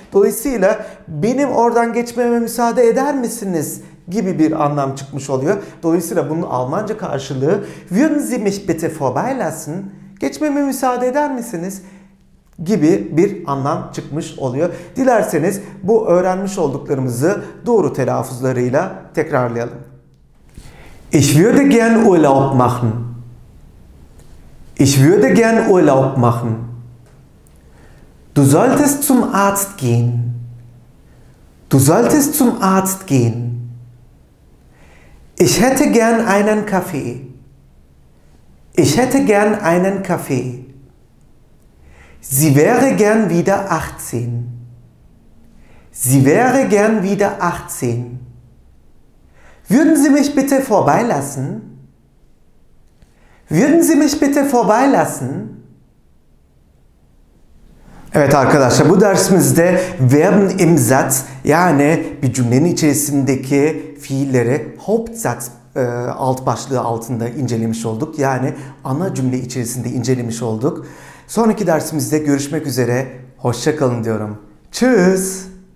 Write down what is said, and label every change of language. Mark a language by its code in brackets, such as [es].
[tr] Dolayısıyla benim oradan geçmeme müsaade eder misiniz gibi bir anlam çıkmış oluyor. Dolayısıyla bunun Almanca karşılığı [de] Würden Sie mich bitte vorbeilassen? [tr] Geçmeme müsaade eder misiniz? Gibi bir anlam çıkmış oluyor. Dilerseniz bu öğrenmiş olduklarımızı doğru telaffuzlarıyla tekrarlayalım. [de] Ich würde gern Urlaub machen. Ich würde gern Urlaub machen. Du solltest zum Arzt gehen. Du solltest zum Arzt gehen. Ich hätte gern einen Kaffee. Ich hätte gern einen Kaffee. Sie wäre gern wieder 18. Sie wäre gern wieder 18. Würden Sie mich bitte vorbeilassen? Würden Sie mich bitte vorbeilassen? [tr] Evet arkadaşlar bu dersimizde [de] Verben im Satz [tr] yani bir cümlenin içerisindeki fiilleri Hauptsatz alt başlığı altında incelemiş olduk. Yani ana cümle içerisinde incelemiş olduk. Sonraki dersimizde görüşmek üzere. Hoşça kalın diyorum. Tschüss.